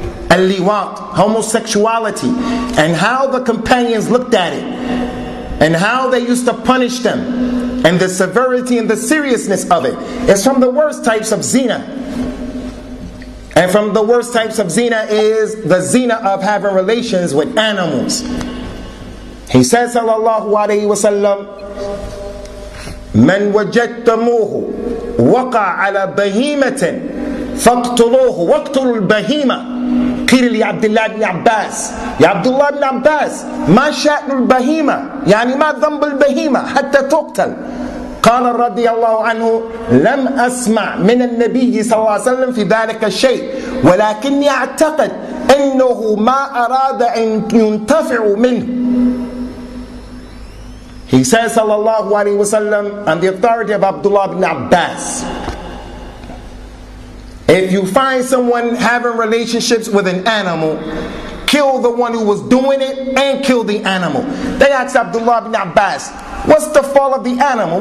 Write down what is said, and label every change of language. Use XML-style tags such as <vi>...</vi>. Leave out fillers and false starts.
<en>Al-Liwat, homosexuality, and how the companions looked at it, and how they used to punish them, and the severity and the seriousness of it. It's from the worst types of zina. And from the worst types of zina is the zina of having relations with animals. He says, sallallahu alayhi wa sallam,</en> <ar>من وجدتموه وقع على بهيمة فاقتلوه واقتلوا البهيمة. قيل لي عبد الله بن عباس, يا عبد الله بن عباس, ما شأن البهيمة, يعني ما ذنب البهيمة حتى تقتل. قال رضي الله عنه, لم أسمع من النبي صلى الله عليه وسلم في ذلك الشيء, ولكني أعتقد أنه ما أراد أن ينتفع منه.</ar> <en>He says, sallallahu alayhi wa sallam, on the authority of Abdullah ibn Abbas, if you find someone having relationships with an animal, kill the one who was doing it and kill the animal. They asked Abdullah ibn Abbas, what's the fault of the animal?</en>